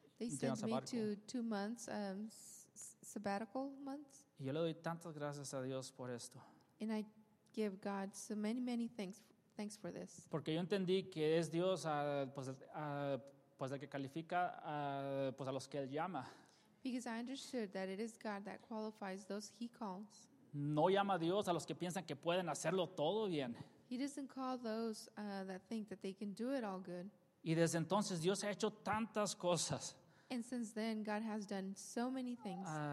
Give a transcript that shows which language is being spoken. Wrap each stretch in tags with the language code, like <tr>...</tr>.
<en>They sent me to 2 months, sabbatical months.</en> <es>Y yo le doy tantas gracias a Dios por esto.</es> <en>And I give God so many, many thanks for this.</en> <es>Porque yo entendí que es Dios pues el que califica pues a los que Él llama.</es> <en>Because I understood that it is God that qualifies those He calls.</en> <es>No llama a Dios a los que piensan que pueden hacerlo todo bien.</es> <en>He doesn't call those that think that they can do it all good.</en> <es>Y desde entonces Dios ha hecho tantas cosas.</es> <en>And since then God has done so many things.</en>